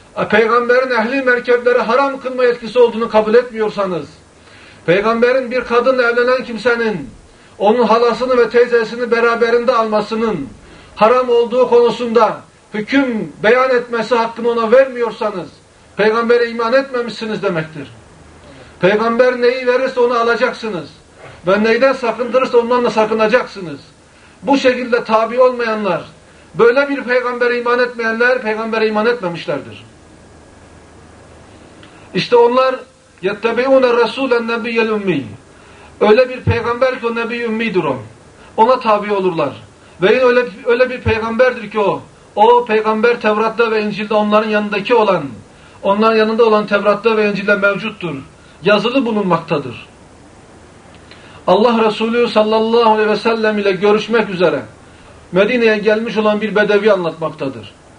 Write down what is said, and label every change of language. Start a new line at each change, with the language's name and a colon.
Turkish: peygamberin ehli merkepleri haram kılma yetkisi olduğunu kabul etmiyorsanız, peygamberin bir kadınla evlenen kimsenin onun halasını ve teyzesini beraberinde almasının haram olduğu konusunda hüküm beyan etmesi hakkını ona vermiyorsanız, peygambere iman etmemişsiniz demektir. Peygamber neyi verirse onu alacaksınız. Ve neyden sakındırırsa ondan da sakınacaksınız. Bu şekilde tabi olmayanlar, böyle bir peygambere iman etmeyenler, peygambere iman etmemişlerdir. İşte onlar,
Arabic: يَتَّبِعُونَ الرَّسُولَ النَّبِيَ الْاُمِّي.
Turkish: Öyle bir peygamber ki o nebi ümmidir o. Ona tabi olurlar. Ve öyle bir peygamberdir ki o. O peygamber Tevrat'ta ve İncil'de onların yanındaki olan, onların yanında olan Tevrat'ta ve İncil'de mevcuttur. Yazılı bulunmaktadır. Allah Resulü sallallahu aleyhi ve sellem ile görüşmek üzere Medine'ye gelmiş olan bir bedevi anlatmaktadır.